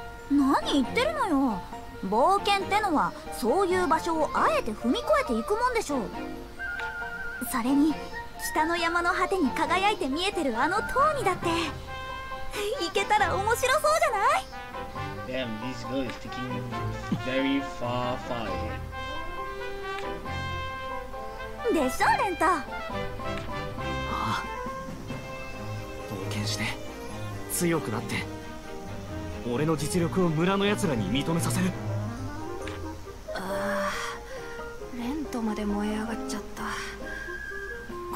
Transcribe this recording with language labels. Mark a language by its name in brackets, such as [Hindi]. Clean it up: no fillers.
[Japanese] 何言ってるのよ。冒険ってのはそういう場所をあえて踏み越えていくもんでしょう。それに北の山の果てに輝いて見えてるあの塔にだって行けたら面白そうじゃない。 [English] Damn, this girl is taking very far, far ahead. [Japanese] でしょ、レント。ああ、冒険して強くなって俺の実力を村の奴らに認めさせる。ああ、レントまで燃え上がっちゃった。